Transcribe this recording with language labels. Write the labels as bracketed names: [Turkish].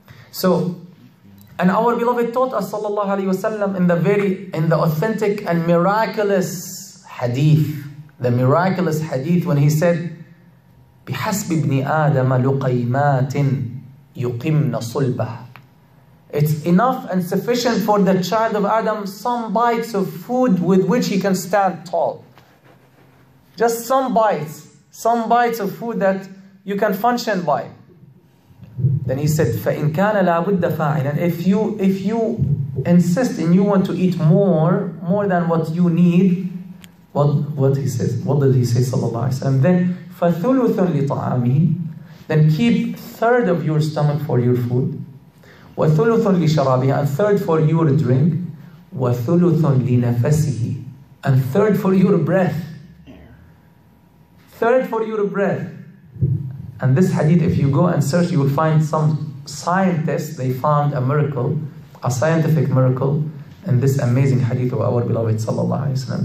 [English] So, and our beloved taught us, sallallahu alayhi wasallam, in the authentic and miraculous hadith, the miraculous hadith, when he said, [Arabic] بِحَسْبِ ابْنِ آدَمَ لُقَيْمَاتٍ يُقِمْنَ صُلْبَهُ. [English] It's enough and sufficient for the child of Adam some bites of food with which he can stand tall. Just some bites of food that you can function by. Then he said, [Arabic] فَإِنْ كَانَ لَابُدَّ فَاعِلًا. [English] If you insist and you want to eat more than what you need, what he says? What did he say, sallallahu alayhi wa sallam? Then, [Arabic] فَثُلُثٌ لِطَعَامِهِ. [English] Then keep third of your stomach for your food. [Arabic] وَثُلُثٌ لِشَرَابِهِ. [English] And third for your drink. [Arabic] وَثُلُثٌ لِنَفَسِهِ. [English] And third for your breath. Third for your breath. And this hadith, if you go and search, you will find some scientists, they found a miracle, a scientific miracle, in this amazing hadith of our beloved sallallahu alayhi wa sallam.